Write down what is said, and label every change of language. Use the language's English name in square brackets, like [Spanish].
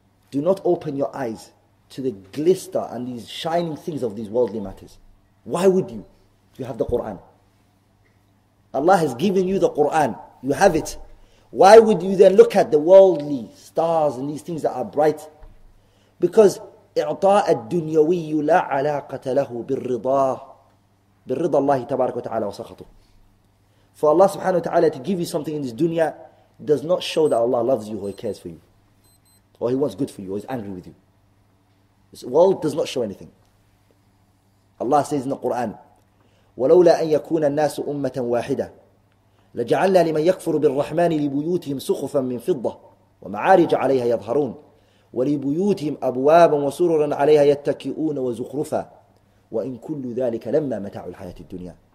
[English] Do not open your eyes to the glister and these shining things of these worldly matters. Why would you? You have the Quran. Allah has given you the Quran. You have it. Why would you then look at the worldly stars and these things that are bright? [Arabic] Because إعطاء الدنيوي لا علاقة له بالرضا بالرضا الله تبارك وتعالى وسخطه. [English] For Allah subhanahu wa ta'ala to give you something in this dunya does not show that Allah loves you or He cares for you or He wants good for you or He's angry with you. This world does not show anything. Allah says in the Quran, [Arabic] وَلَوْلَا أَن يَكُونَ النَّاسُ أُمَّةً وَاحِدَةً لَجَعَلْنَا لِمَنْ يَكْفُرُ بِالرَّحْمَنِ لِبُيُوتِهِمْ سُخُفًا مِنْ فِضَّةٍ وَمَعَارِجَ عَلَيْهَا يَظْهَرُونَ وَلِبُيُوتِهِمْ أَبْوَابًا وَسُرُرًا عَلَيْهَا يَتَّكِئُونَ وَزُخْرُفًا وَإِنْ كُلُّ ذَلِكَ لَمَّا مَتَاعُ الْحَيَاةِ الدُّنْيَا.